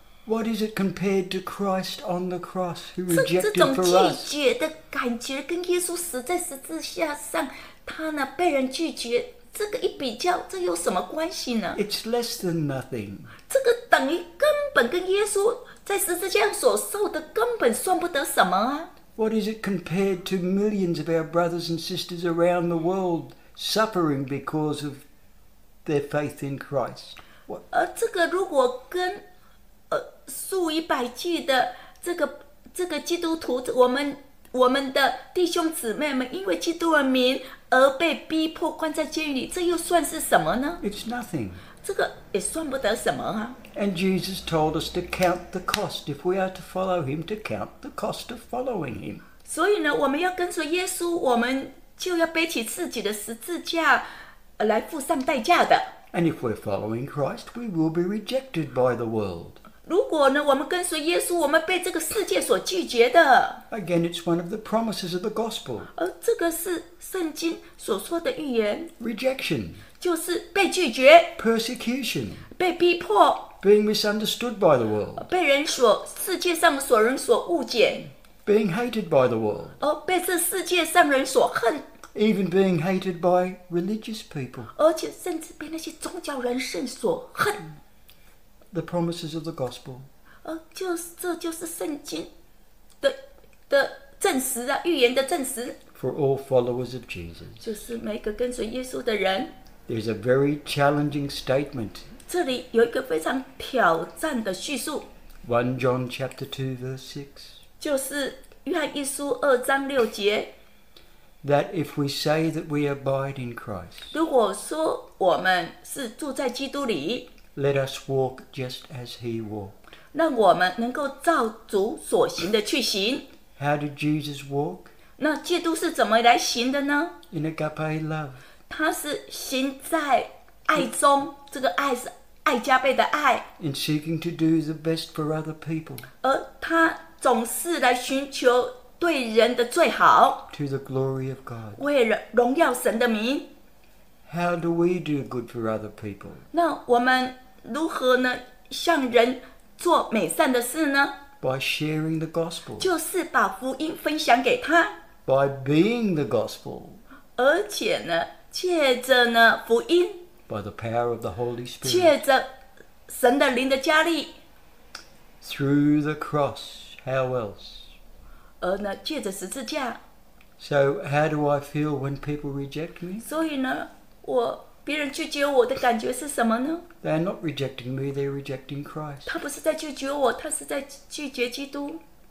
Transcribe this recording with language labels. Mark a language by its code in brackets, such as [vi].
[en] What is it compared to Christ on the cross who rejected for us? [zh] 这种拒绝的感觉跟耶稣死在十字架上，他呢被人拒绝，这个一比较，这有什么关系呢？ [en] It's less than nothing. [zh] 这个等于根本跟耶稣在十字架所受的根本算不得什么啊。 [en] What is it compared to millions of our brothers and sisters around the world suffering because of their faith in Christ? [zh] 这个如果跟数以百计的这个基督徒，我们的弟兄姊妹们，因为基督的名而被逼迫关在监狱里，这又算是什么呢？ [en] It's nothing. [zh] 这个也算不得什么啊。 [en] And Jesus told us to count the cost if we are to follow Him. To count the cost of following Him. [zh] 所以呢，我们要跟随耶稣，我们就要背起自己的十字架，来付上代价的。 [en] And if we're following Christ, we will be rejected by the world. [zh] 如果呢，我们跟随耶稣，我们被这个世界所拒绝的。 [en] Again, it's one of the promises of the gospel. [zh] 这个是圣经所说的预言。 [en] Rejection. [zh] 就是被拒绝。 [en] Persecution. [zh] 被逼迫。 [en] Being misunderstood by the world. [zh] 被人所世界上所人所误解。 [en] Being hated by the world. [zh] 被这世界上人所恨。 [en] Even being hated by religious people. [zh] 而且甚至被那些宗教人士所恨。 [en] The promises of the gospel. [zh] 这就是圣经的证实啊，预言的证实。 [en] For all followers of Jesus. [zh] 就是每个跟随耶稣的人。 [en] There's a very challenging statement. [zh] 这里有一个非常挑战的叙述。 [en] 1 John chapter 2 verse 6. [zh] 就是约翰一书二章六节。 [en] That if we say that we abide in Christ, [zh] 如果说我们是住在基督里, [en] let us walk just as He walked. [zh] 让我们能够照主所行的去行。 [en] How did Jesus walk? [zh] 那基督是怎么来行的呢? [en] In agape love. [zh] 他是行在爱中, 这个爱是爱加倍的爱。 [en] In seeking to do the best for other people. [zh] 而他总是来寻求对人的最好。 [en] To the glory of God. [zh] 为了荣耀神的名。 [en] How do we do good for other people? [zh] 那我们如何呢？向人做美善的事呢？ [en] By sharing the gospel. [zh] 就是把福音分享给他。 [en] By being the gospel. [zh] 而且呢，借着呢福音。 [en] By the power of the Holy Spirit. [zh] 借着神的灵的加力。 [en] Through the cross. How else? [zh] 而呢，借着十字架。 [en] So how do I feel when people reject me? [zh] 所以呢，我别人拒绝我的感觉是什么呢？ [en] They are not rejecting me; they are rejecting Christ. [zh] 他不是在拒绝我，他是在拒绝基督。